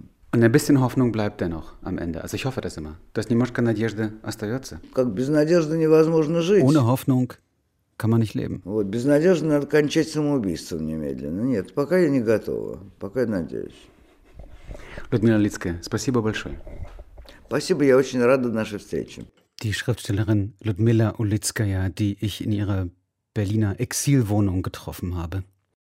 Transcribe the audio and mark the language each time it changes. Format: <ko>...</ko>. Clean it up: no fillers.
<de>Und ein bisschen Hoffnung bleibt dennoch am Ende. Also ich hoffe das immer.</de> <ru>Das немножко надежды остается. Как без надежды невозможно жить.</ru> <de>Ohne Hoffnung kann man nicht leben.</de> <ru>Вот без надежды надо кончать самоубийством немедленно. Нет, пока я не готова. Пока я надеюсь. Людмила Улицкая, спасибо большое. Спасибо, я очень рада нашей встрече.</ru> <de>Die Schriftstellerin Людмила Улицкая, die ich in ihrer Berliner Exilwohnung getroffen habe.</de>